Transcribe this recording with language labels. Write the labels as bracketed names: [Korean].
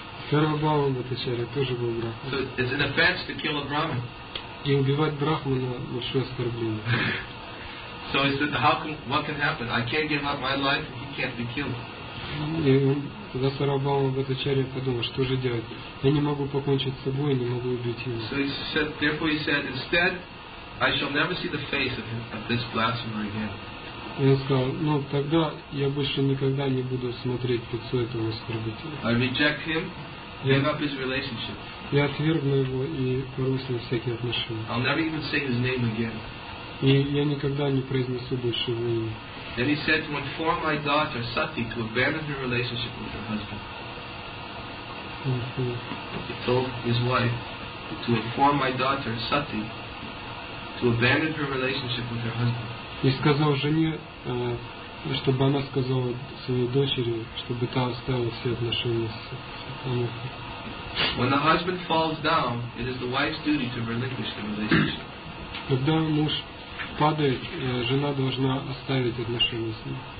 [Russian] Сарвабхаума Бхаттачарья тоже был брахман. И убивать брахмана большое оскорбление. [English] So he said, what can happen? I can't give up my life, he can't be killed. [Russian] И тогда Сарвабхаума Бхаттачарья подумал, что же делать? Я не могу покончить с собой, не могу убить его. [English] So he said, therefore he said, instead, I shall never see the face of this blasphemer again. [Russian] И он сказал, тогда я больше никогда не буду смотреть лицо этого оскорбителя. [English] I reject him, give up his relationship. [Russian] Я отвергну его и порвусь на всякие отношения. [English] I'll never even say his name again. [Russian] И я никогда не произнесу больше его имя. [English] Then he said to inform my daughter Sati to abandon her relationship with her husband. Mm-hmm. He told his wife to inform my daughter Sati to abandon her relationship with her husband. [Russian] И сказал жене, чтобы она сказала своей дочери, чтобы та оставила все отношения с Амогхой. [English] When the husband falls down, it is the wife's duty to relinquish the relationship. [Russian] Когда муж падает, жена должна оставить отношения с ним.